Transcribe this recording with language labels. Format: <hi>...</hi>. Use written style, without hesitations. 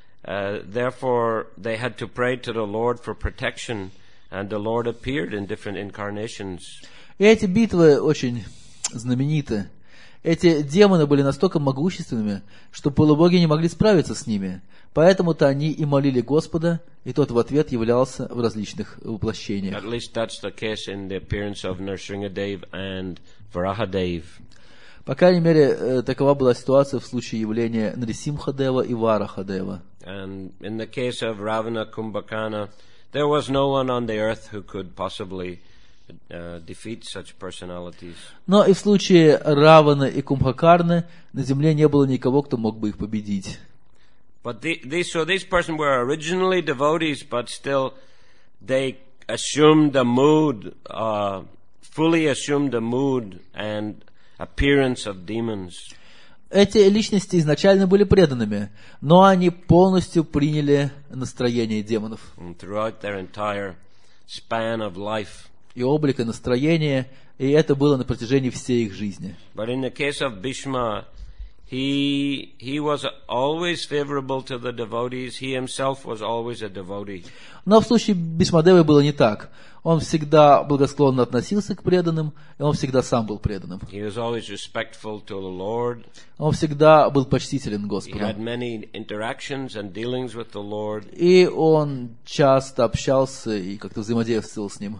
<en>Therefore, they had to pray to the Lord for protection, and the Lord appeared in different incarnations.</en> <ru>Эти битвы очень знамениты. Эти демоны были настолько могущественными, что полубоги не могли справиться с ними. Поэтому-то они и молили Господа, и тот в ответ являлся в различных воплощениях.</ru> <en>At least that's the case in the appearance of Narsingadev and Varahadev.</en> <ru>По крайней мере, такова была ситуация в случае явления Нарисимхадева и Варахадева.</ru> <en>And in the case of Ravana Kumbhakarna, there was no one on the earth who could possibly defeat such personalities.</en> <ru>Но и в случае Равана и Кумбхакарны на земле не было никого, кто мог бы их победить.</ru> <en>But these persons were originally devotees, but still they assumed the mood, fully assumed the mood and appearance of demons.</en> <ru>Эти личности изначально были преданными, но они полностью приняли настроение демонов.</ru> <en>Throughout their entire span of life.</en> <ru>И облик, и настроение, и это было на протяжении всей их жизни.</ru> <en>But in the case of Bhishma, he was always favorable to the devotees. He himself was always a devotee.</en> <ru>Но в случае Бишмадевы было не так. Он всегда благосклонно относился к преданным, и он всегда сам был преданным.</ru> <en>He was always respectful to the Lord.</en> <ru>Он всегда был почтителен Господу.</ru> <en>He had many interactions and dealings with the Lord.</en> <ru>И он часто общался и как-то взаимодействовал с ним.</ru>